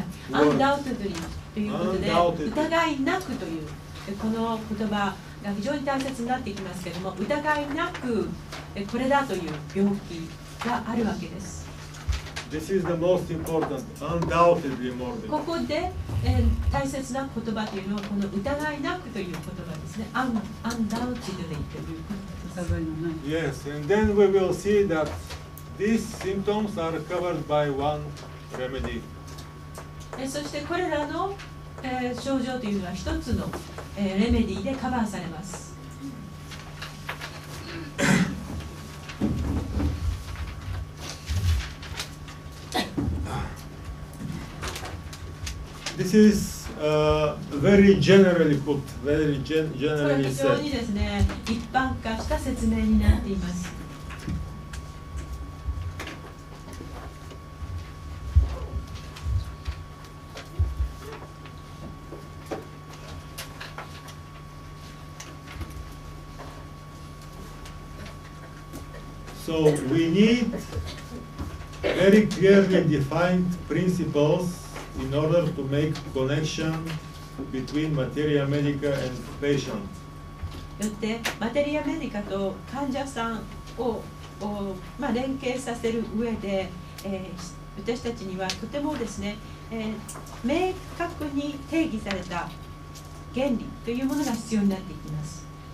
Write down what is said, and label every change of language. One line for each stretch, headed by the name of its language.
Japanese: はい、undoubtedly ということで、疑いなくというこの言葉が非常に大切になってきますけれども、疑いなくこれだという病気があるわけです。
English: This is the most important, undoubtedly morbid.
Japanese: ここで、大切な言葉というのはこの疑いなくという言葉ですね。 undoubtedly という言葉です。
English: Yes, and then we will see that these symptoms are covered by one remedy.
Japanese: そしてこれらの、症状というのは一つの、レメディでカバーされます。
English: This is very generally put, very generally said.
Japanese: これ非常にですね、一般化した説明になっています。
English: So we need very clearly defined principles. In order to make connection between materia medica and patient.
Japanese: よって、マテリアメディカと患者さんを、まあ、連携させる上で、私たちにはとてもですね、明確に定義された原理というものが必要になっていきます。